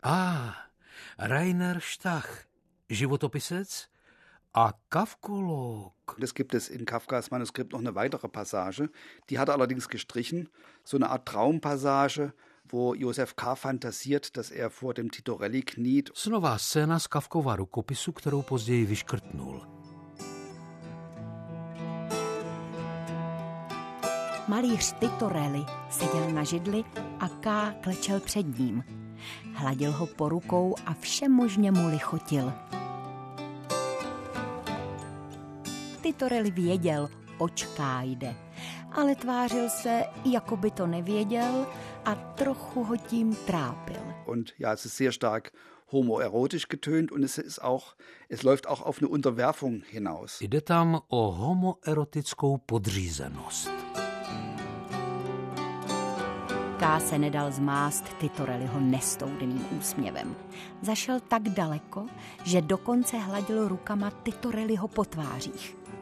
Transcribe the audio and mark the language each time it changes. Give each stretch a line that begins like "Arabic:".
Czech: Ah, Rainer Stach, Životopisec a Kafkolog.
German: Das gibt es in Kafkas Manuskript noch eine weitere Passage. Die hat er allerdings gestrichen. So eine Art Traumpassage, wo Josef K. fantasiert, dass er vor dem Titorelli kniet.
Czech: Snová scéna z Kafkova rukopisu, kterou později vyškrtnul. Malíř Titorelli seděl na židli a K. klečel před ním. Hladil ho po rukou a všemožně mu lichotil. Titorelli věděl, oč K. jde, ale tvářil se, jako by to nevěděl a trochu ho tím trápil.
German: Und ja, es ist sehr stark homoerotisch getönt und es läuft auch auf eine Unterwerfung hinaus.
Czech: Jde tam o homoerotickou podřízenost. K. se nedal zmást Titorelliho nestoudným úsměvem. Zašel tak daleko, že dokonce hladil rukama Titorelliho po tvářích.